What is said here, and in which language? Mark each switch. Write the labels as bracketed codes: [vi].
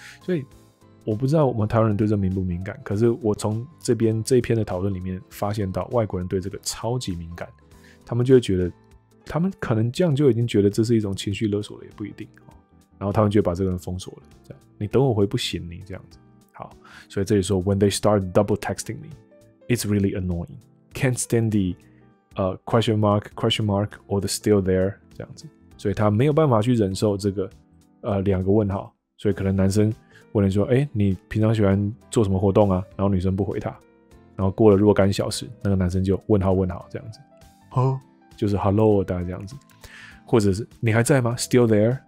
[zh] 所以我不知道我们台湾人对这敏不敏感，可是我从这边这一篇的讨论里面发现到外国人对这个超级敏感，他们就会觉得他们可能这样就已经觉得这是一种情绪勒索了，也不一定，然后他们就把这个人封锁了，这样你等我回不行你这样子。好，所以这里说 [en] When they start double texting me it's really annoying， can't stand the、question mark question mark or the still there [zh] 这样子。所以他没有办法去忍受这个两个问号，所以可能男生问你说，哎，你平常喜欢做什么活动啊，然后女生不回他，然后过了若干小时，那个男生就问号问号这样子，哦，就是 hello 大概这样子，或者是你还在吗 still there。